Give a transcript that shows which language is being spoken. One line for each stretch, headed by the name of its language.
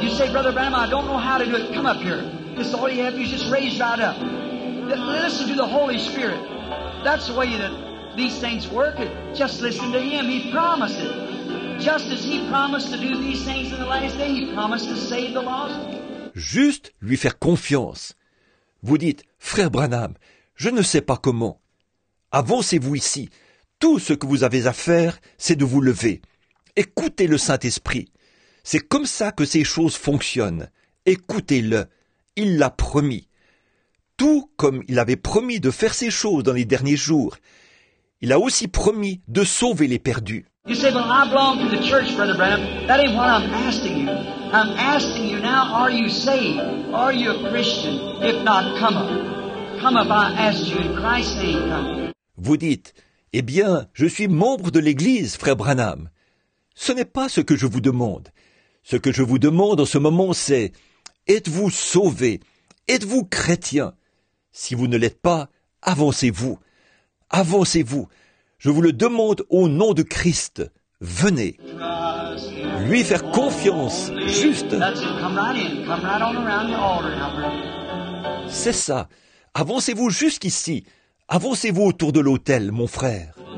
English: You say, Brother Branham, I don't know how to do it. Come up here. This is all you have. You just raise right up. Listen to the Holy Spirit. That's the way that these things work. Just listen to him. He promised it. Just as he promised to do these things in the last day, he promised to save the lost.
French: Juste lui faire confiance. Vous dites, frère Branham, je ne sais pas comment. Avancez-vous ici. Tout ce que vous avez à faire, c'est de vous lever. Écoutez le Saint-Esprit. C'est comme ça que ces choses fonctionnent. Écoutez-le. Il l'a promis. Tout comme il avait promis de faire ces choses dans les derniers jours, il a aussi promis de sauver les perdus.
English: You say, well, I belong to the church, Brother Branham. That ain't what I'm asking you. I'm asking you now, are you saved? Are you a Christian? If not, come up. Come up, I ask you in Christ's name, come.
French: Vous dites, eh bien, je suis membre de l'Église, frère Branham. Ce n'est pas ce que je vous demande. Ce que je vous demande en ce moment, c'est, êtes-vous sauvé? Êtes-vous chrétien? Si vous ne l'êtes pas, avancez-vous. Avancez-vous. Je vous le demande au nom de Christ. Venez. Lui faire confiance, juste.
English: Come right in. Come right on around the altar now, brother.
French: C'est ça. Avancez-vous jusqu'ici. Avancez-vous autour de l'autel, mon frère.